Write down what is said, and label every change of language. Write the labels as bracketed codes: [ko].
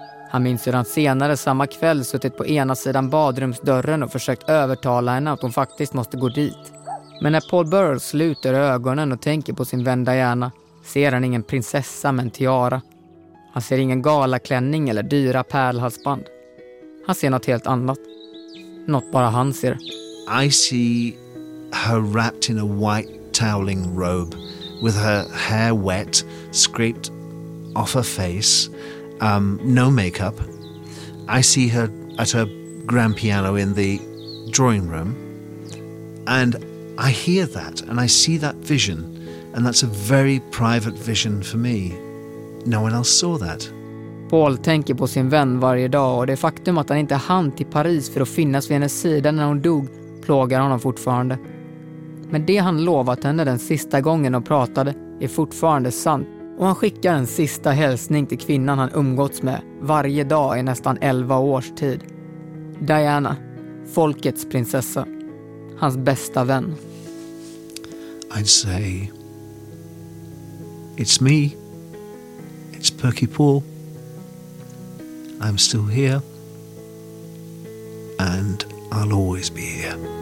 [sv] Han minns hur han senare samma kväll suttit på ena sidan badrumsdörren och försökt övertala henne att hon faktiskt måste gå dit. Men när Paul Burrell sluter ögonen och tänker på sin vända hjärna ser han ingen prinsessa men tiara. Han ser ingen galaklänning eller dyra pärlhalsband. Han ser något helt annat. Något bara han ser. [en] I see her wrapped in a white toweling robe with her hair wet, scraped off her face, no makeup. I see her at her grand piano in the drawing room. And I hear that and I see that vision. And that's a very private vision for me. No one else saw that. [sv] Paul tänker på sin vän varje dag och det faktum att han inte hann till Paris för att finnas vid hennes sida när hon dog plågar honom fortfarande. Men det han lovat henne den sista gången de pratade är fortfarande sant och han skickar en sista hälsning till kvinnan han umgåtts med varje dag i nästan 11 års tid. Diana, folkets prinsessa, hans bästa vän. [en] I'd say it's me, it's Perky Paul. I'm still here, and I'll always be here.